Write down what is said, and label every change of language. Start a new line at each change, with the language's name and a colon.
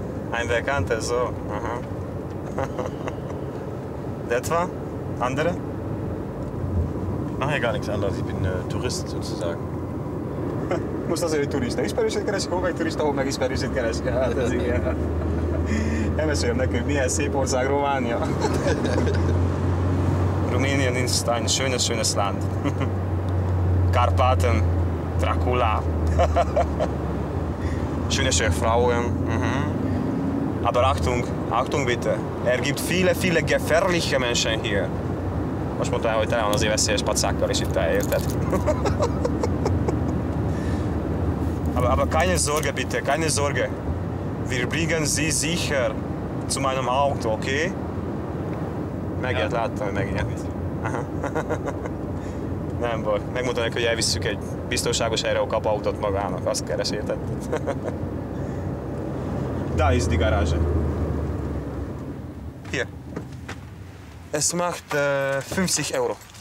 German: Ein Bekannter, so. Das war? Andere? Ich mache ja gar nichts anderes, ich bin Tourist sozusagen. Muss das ein Tourist? Ich bin Richard Keras, ich komme ein Tourist, aber ich bin Richard Keras. Ja, das ist ja.
Hungarian: Én mesélem neki, hogy milyen szép ország Románia. Rumänia nincs tán,
German: schönes, schönes Land. Karpaten, Dracula. Schöne, schöne Frauen. Aber Achtung, Achtung bitte. Gibt viele, viele gefährliche Menschen hier.
Hungarian: Most mondta el, hogy tele van azért veszélyes pacákkal, és itt elérted.
German: aber keine Sorge bitte, keine Sorge. Wir bringen Sie sicher zu meinem Auto, okay?
Hungarian: Megjött, ja, láttam, hogy megjött. Nem baj, megmondta neki, hogy elvisszük egy biztonságos helyre, ahol kap autót magának, azt keres, érted?
German: Da ist die Garage. Hier. Es macht 50 Euro.